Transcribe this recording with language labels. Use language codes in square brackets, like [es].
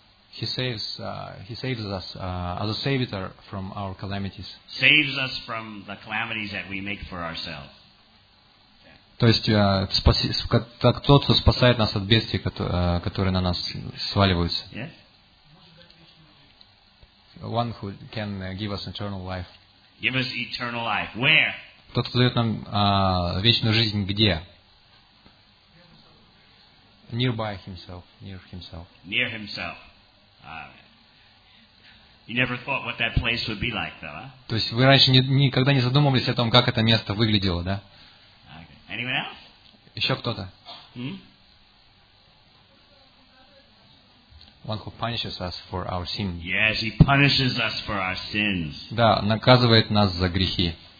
[en] He saves us as a savior from our calamities. Saves us from the calamities that we make for ourselves. [ru] То есть тот, кто спасает нас от бедствий, которые на нас сваливаются. [en] One who can give us eternal life. Give us eternal life. Where? [ru] Тот, кто дает нам вечную жизнь, где? [en] Nearby himself. Near himself. Near himself. You never thought what that place would be like, though, huh? [ru] То есть вы раньше никогда не задумывались о том, как это место выглядело, да? [en] Okay. Anyone else? [ru] Еще кто-то? Hmm? [en] One who punishes us for our sins. Yes, he punishes us for our sins. [ru] Да, наказывает нас за грехи.